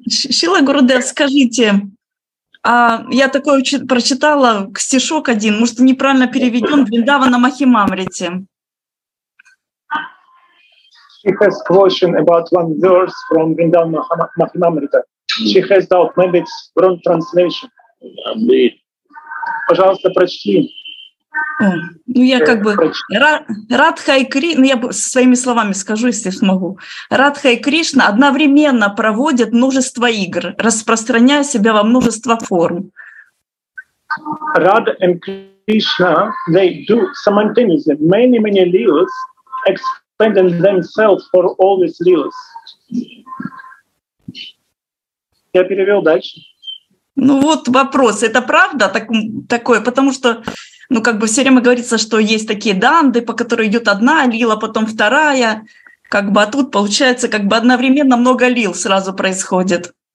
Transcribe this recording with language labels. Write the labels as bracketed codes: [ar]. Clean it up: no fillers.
[ru] Шрила Гурудев, скажите, я такое прочитала стишок один, может, неправильно переведен, Вриндавана Махимамрити. [en] She has question about one verse from Vrindavana Mahimamrita. She has doubt, maybe it's wrong translation. [ru] Пожалуйста, прочти. Ну, я как бы Радха и Кришна, ну, я своими словами скажу, если смогу. Радха и Кришна одновременно проводят множество игр, распространяя себя во множество форм. [en] Radha and Krishna, they do simultaneously. Many, many leelas expanding themselves for all these leelas. [ru] Я перевел дальше. Ну вот вопрос, это правда так, такое? Потому что, ну как бы все время говорится, что есть такие данды, по которой идет одна лила, потом вторая. Как бы, а тут получается, как бы одновременно много лил сразу происходит.